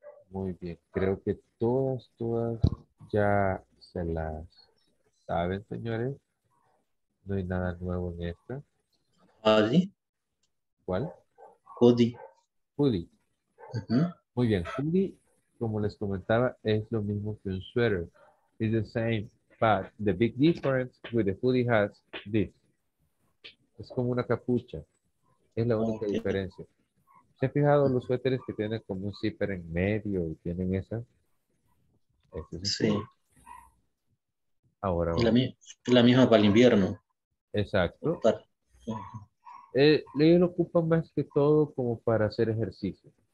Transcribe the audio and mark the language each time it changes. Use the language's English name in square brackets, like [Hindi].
[Spanish] Muy bien, creo que todas ya se las saben, señores. No hay nada nuevo en esta. [English] Hoodie. [Spanish] ¿Cuál? [English] Hoodie. Hoodie. Uh-huh. [Spanish] Muy bien, hoodie, como les comentaba, es lo mismo que un sweater. [English] It's the same, but the big difference with the hoodie has this. [Spanish] Es como una capucha. Es la única okay. diferencia. ¿Se han fijado los suéteres que tienen como un zipper en medio y tienen esa? Este es sí. Cool. Ahora. Es la misma para el invierno. Exacto. Para... ellos lo ocupan más que todo como para hacer ejercicio.